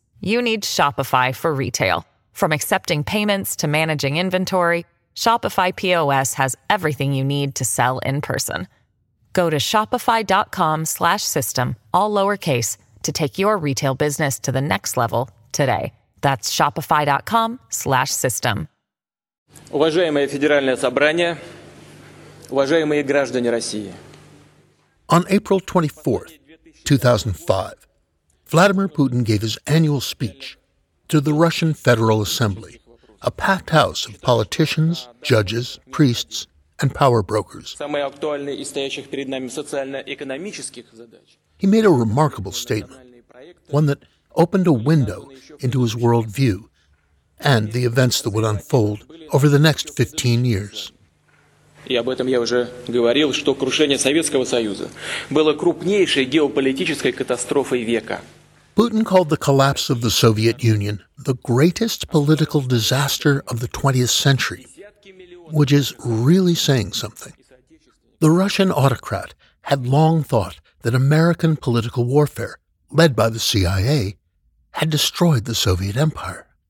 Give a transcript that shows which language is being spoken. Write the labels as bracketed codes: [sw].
[en] You need Shopify for retail. From accepting payments to managing inventory, Shopify POS has everything you need to sell in person. Go to shopify.com/system, all lowercase, to take your retail business to the next level today. That's shopify.com/system. [ru] Уважаемое Федеральное собрание, уважаемые граждане России. [en] On April 24, 2005, Vladimir Putin gave his annual speech to the Russian Federal Assembly, a packed house of politicians, judges, priests, and power brokers. [ru] Самые актуальные из стоящих перед нами социально-экономических задач. [en] He made a remarkable statement, one that opened a window into his worldview and the events that would unfold over the next 15 years. [ru] И об этом я уже говорил, что крушение Советского Союза было крупнейшей геополитической катастрофой века. [en] Putin called the collapse of the Soviet Union the greatest political disaster of the 20th century, which is really saying something. The Russian autocrat had long thought that American political warfare, led by the CIA, had destroyed the Soviet Empire.